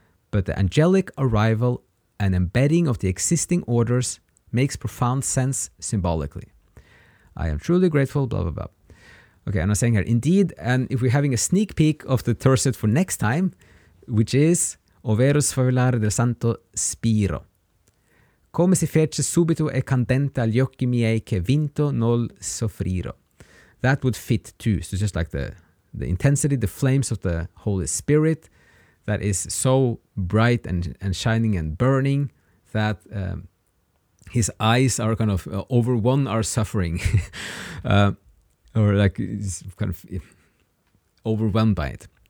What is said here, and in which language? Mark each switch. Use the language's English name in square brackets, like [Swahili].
[English] But the angelic arrival and embedding of the existing orders makes profound sense symbolically. I am truly grateful, blah, blah, blah. Okay, and I'm saying here, indeed, and if we're having a sneak peek of the terset for next time, which is, [Italian] ovvero sfavillare del santo spiro. Come si fece subito e candente agli occhi miei che vinto nol soffriro. [English] That would fit too. So just like the intensity, the flames of the Holy Spirit that is so bright and shining and burning that... his eyes are kind of over one are suffering or like kind of overwhelmed by it.